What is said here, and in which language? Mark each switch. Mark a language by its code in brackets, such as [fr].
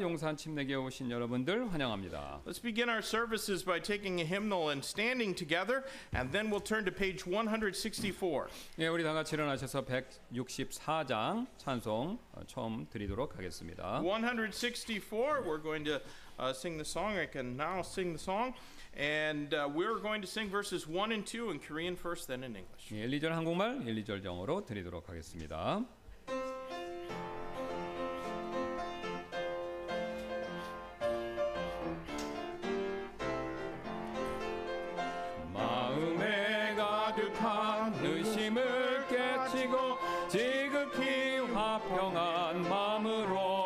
[ko] 용산 침례교회 오신 여러분들 환영합니다. [en] Let's begin our services by taking a hymnal and standing together, and then we'll turn to page 164. [ko] 우리 다 같이 일어나셔서 164장 찬송 처음 드리도록 하겠습니다. [en] 164, we're going to sing the song. I can now sing the song. And we're going to sing verses 1 and 2 in Korean first, then in English. [ko] 1, 2절 한국말, 1, 2절 영어로 드리도록 하겠습니다. 마음에 가득한 의심을 깨치고 지극히 화평한 마음으로